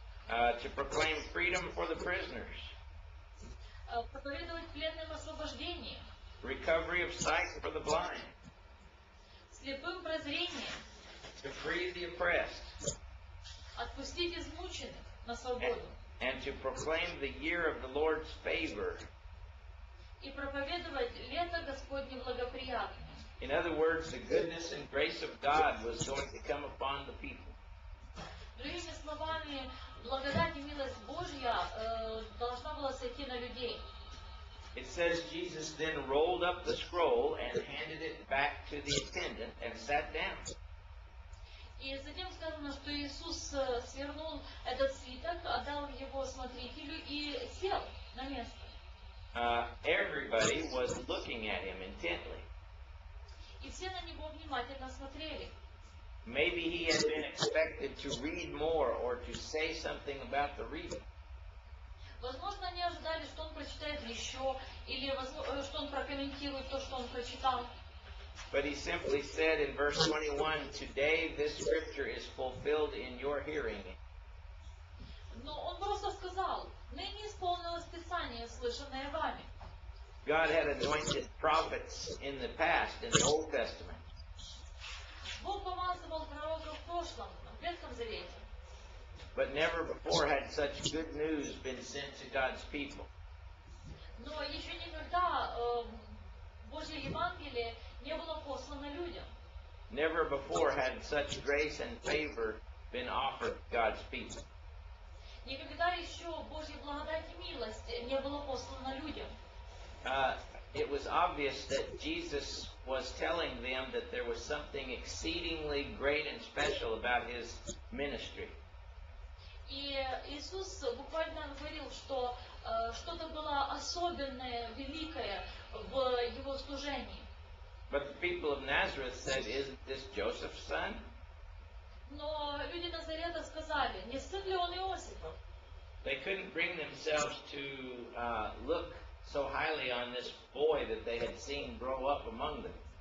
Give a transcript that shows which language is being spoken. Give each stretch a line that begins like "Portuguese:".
English: To proclaim freedom for the prisoners.
Russian: Проповедовать пленным освобождение.
English: Recovery of sight for the blind.
Russian: Слепым прозрение.
English: To free the oppressed.
Russian: Отпустить измученных на свободу.
English: And to proclaim the year of the Lord's favor.
Russian: И проповедовать лето Господне благоприятное.
English: In other words, the goodness and grace of God was going to come upon the people.
Russian: Другими словами, благодать и милость Божья должна была сойти на людей.
English: It says Jesus then rolled up the scroll and handed it back to the attendant and sat down.
Russian: И затем сказано, что Иисус свернул этот свиток, отдал его смотрителю и сел на место.
English: Everybody was looking at him intently.
Russian: И все на него внимательно смотрели.
English: Maybe he had been expected to read more or to say something about the reading.
Russian: Возможно, они ожидали, что он прочитает еще, или что он прокомментирует то, что он прочитал.
English: But he simply said in verse 21, today this scripture is fulfilled in your hearing.
Russian: Но он просто сказал, ныне исполнилось Писание, слышанное вами.
English: God had anointed prophets in the past, in the Old Testament.
Russian: Бог помазывал пророков в прошлом, в Ветхом Завете.
English: But never before had such good news been sent to God's people.
Russian: Но еще никогда Божье Евангелие не было послано людям.
English: Never before had such grace and favor been offered God's people.
Russian: Никогда еще Божья благодать и милость не было послана людям.
English: It was obvious that Jesus was telling them that there was something exceedingly great and special about his ministry.
Russian: И Иисус буквально говорил, что что-то было особенное, великое в его служении.
English: But the people of Nazareth said, isn't this Joseph's son?
Russian: Но люди Назарета сказали, не сын ли он Иосифа?
English: They couldn't bring themselves to look so highly on this boy that they had seen grow up among them.